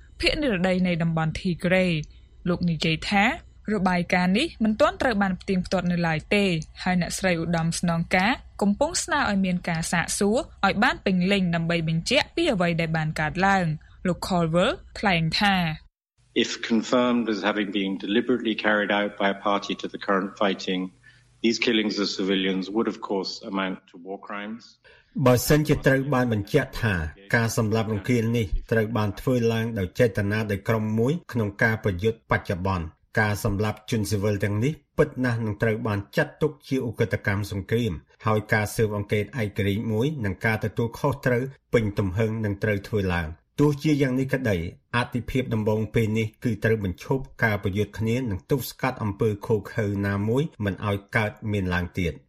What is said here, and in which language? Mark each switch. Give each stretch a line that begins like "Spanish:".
Khmer: ភាគនិរតីនៃតំបន់ Tigray លោកនិយាយថារបាយការណ៍នេះមិនទាន់ត្រូវបានផ្ទៀងផ្ទាត់នៅឡើយទេហើយអ្នកស្រីឧត្តមស្នងការ កំពុងស្នើឲ្យមានការសាកសួរឲ្យបានពេញលេញដើម្បីបញ្ជាក់ពីអ្វីដែលបានកើតឡើងលោក Colville ថ្លែងថា
English: If confirmed as having been deliberately carried out by a party to the current fighting these killings of civilians would of course amount to war crimes
Khmer: បើសិនជាត្រូវបានបញ្ជាក់ថាការសម្លាប់រង្គាលនេះត្រូវបានធ្វើឡើងដោយចេតនាដោយក្រុមមួយក្នុងការប្រយុទ្ធបច្ចុប្បន្នការសម្លាប់ជនស៊ីវិលទាំងនេះពិតណាស់នឹងត្រូវបានចាត់ទុកជាឧក្រិដ្ឋកម្មសង្គ្រាមហើយការស៊ើបអង្កេតឯករាជ្យមួយនឹងការទទួលខុសត្រូវពេញទំហឹងនឹងត្រូវធ្វើឡើងទោះជាយ៉ាងនេះក្តីអតិភិបដំបងពេលនេះគឺត្រូវបញ្ឈប់ការប្រយុទ្ធគ្នានិងទប់ស្កាត់អំពើឃោរឃៅណាមួយមិនឲ្យកើតមានឡើងទៀត